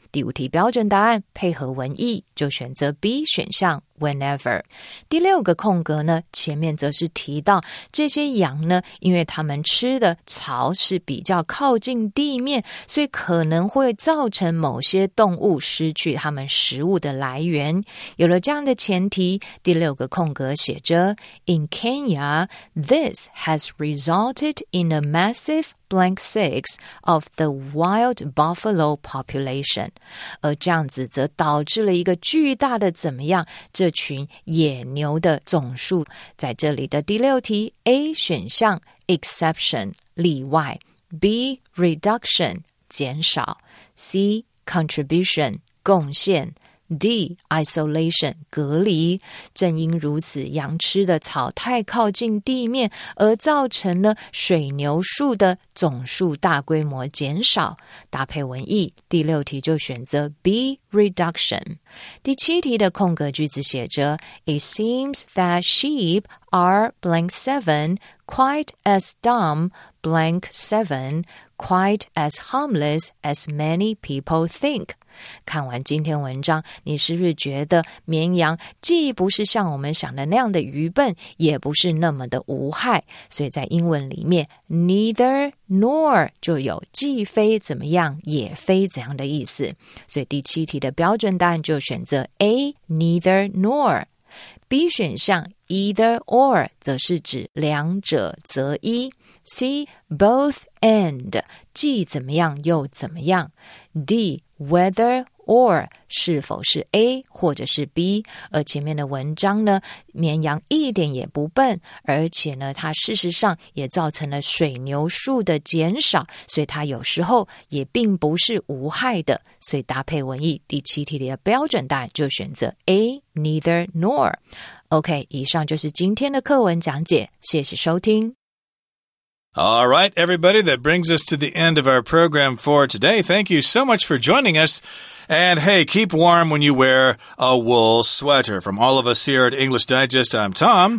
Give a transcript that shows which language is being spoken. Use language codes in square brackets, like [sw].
[zh] 第五题标准答案配合文意就选择 B 选项 whenever。第六个空格呢，前面则是提到这些羊呢，因为他们吃的草是比较靠近地面，所以可能会造成某些动物失去他们食物的来源。有了这样的前提，第六个空格写着 [en] In Kenya, this has resulted in a massive blank six of the wild buffalo population. [zh] 而这样子则导致了一个巨大的怎么样，这群野牛的总数。在这里的第六题 A 选项 exception 例外， B reduction 减少， C contribution 贡献， D isolation 隔离。正因如此，羊吃的草太靠近地面，而造成了水牛数的总数大规模减少。搭配文意，第六题就选择 B reduction。第七题的空格句子写着 [en] It seems that sheep are blank seven quite as dumb blank seven quite as harmless as many people think。 [zh] 看完今天文章，你是不是觉得绵羊既不是像我们想的那样的愚笨，也不是那么的无害？所以在英文里面 neither nor 就有既非怎么样也非怎样的意思。所以第七题的标准答案就选择 A neither nor。 B 选项 either or 则是指两者择一。 C both and 既怎么样又怎么样。 D whether or 是否是 A 或者是 B。而前面的文章呢，绵羊一点也不笨，而且呢它事实上也造成了水牛数的减少，所以它有时候也并不是无害的。所以搭配文意，第七题的标准答案就选择 A neither nor。 OK， 以上就是今天的课文讲解，谢谢收听。 [en] All right, everybody, that brings us to the end of our program for today. Thank you so much for joining us. And hey, keep warm when you wear a wool sweater. From all of us here at English Digest, I'm Tom.